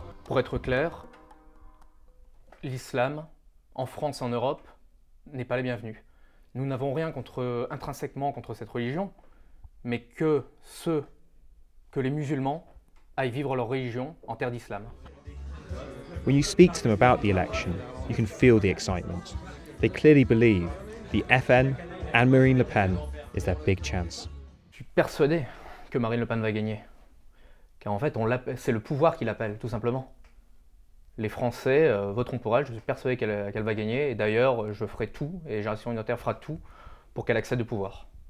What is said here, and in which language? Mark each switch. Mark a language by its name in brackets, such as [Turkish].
[French] Pour être clair, l'islam, en France et en Europe, n'est pas la bienvenue. Nous n'avons rien intrinsèquement contre cette religion, mais que ceux, que les musulmans, aillent vivre leur religion en terre d'islam. [English] When you speak to them about the election, you can feel the excitement. They clearly believe the FN and Marine Le Pen is their big chance. [French] Je suis persuadé que Marine Le Pen va gagner. Car en fait, c'est le pouvoir qui l'appelle, tout simplement. Les Français voteront pour elle, je suis persuadé qu'elle va gagner. Et d'ailleurs, je ferai tout, et Génération Identitaire fera tout, pour qu'elle accède au pouvoir.